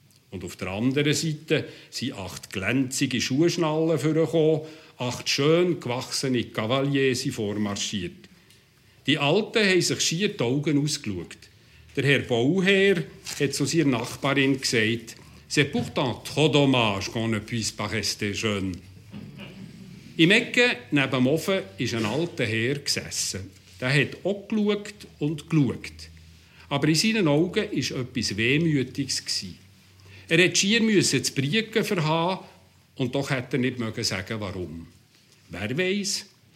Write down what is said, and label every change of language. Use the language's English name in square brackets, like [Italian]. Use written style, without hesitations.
[German] Und auf der anderen Seite sind 8 glänzige Schuhschnallen vorgekommen, 8 schön gewachsene Cavaliers vormarschiert. Die Alten haben sich schier die Augen ausgeschaut. Der Herr Bauherr hat zu seiner Nachbarin gesagt, [French] C'est pourtant trop dommage qu'on ne puisse pas rester jeune. [German] Im Ecke neben dem Ofen ist ein alter Herr gesessen. Der hat auch geschaut und geschaut. Aber in seinen Augen war etwas Wehmütiges. Er hat schier müssen zu Briegen verhaben und doch hat er nicht mögen sagen, warum. Wer weiss?